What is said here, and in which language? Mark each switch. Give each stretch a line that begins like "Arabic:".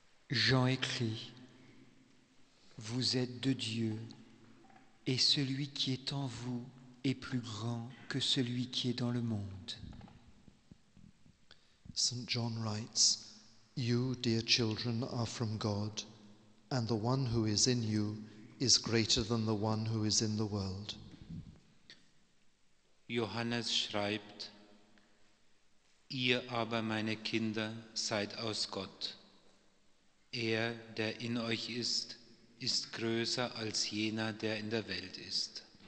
French: Jean écrit : Vous êtes de Dieu, et celui qui est en vous est plus grand que celui qui est dans le monde.
English: Saint John writes : You, dear children, are from God, and the one who is in you is greater than the one who is in the world.
German: Johannes schreibt : Ihr aber, meine Kinder, seid aus Gott. Er, der in euch ist, ist größer als jener, der in der Welt ist.